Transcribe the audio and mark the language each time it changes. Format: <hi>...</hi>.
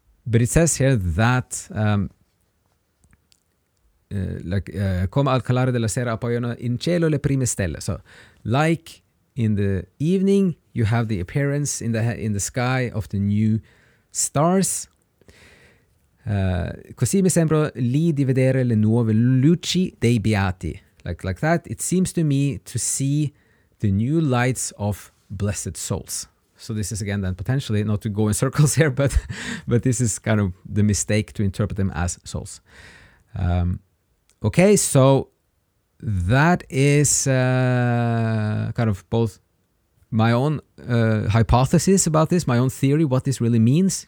<en>But it says here that</en> <it>come al calare della sera appaiono in cielo le prime stelle.</it> <en>So like in the evening you have the appearance in the sky of the new stars.</en> <it>Così mi sembra lì di vedere le nuove luci dei beati.</it> <en>Like that, it seems to me to see the new lights of blessed souls. So this is again then potentially, not to go in circles here, but this is kind of the mistake to interpret them as souls. Okay, so that is kind of both my own hypothesis about this, my own theory, what this really means.</en>